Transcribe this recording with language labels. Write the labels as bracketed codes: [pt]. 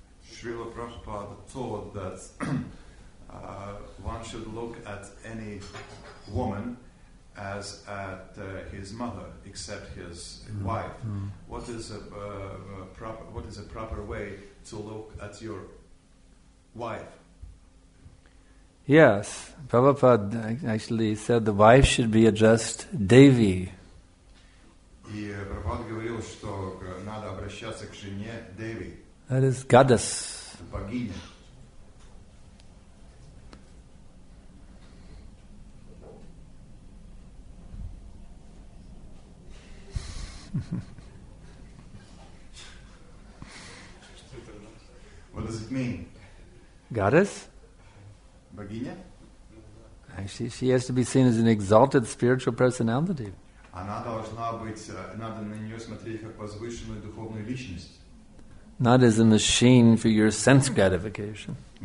[en] Srila Prabhupada taught that one should look at any woman as at his mother, except his wife. What is a proper way to look at your wife? Yes, Prabhupada actually said the wife should be addressed Devi. [ru] И Прабхупада говорил, что надо обращаться к жене Деви. [en] That is goddess. [ru] Богиня. [en] What does it mean? Goddess? [ru] Богиня? [en] Actually, she has to be seen as an exalted spiritual personality. [ru] Она должна быть, надо на нее смотреть как возвышенную духовную личность. [en] Not as a machine for your sense gratification.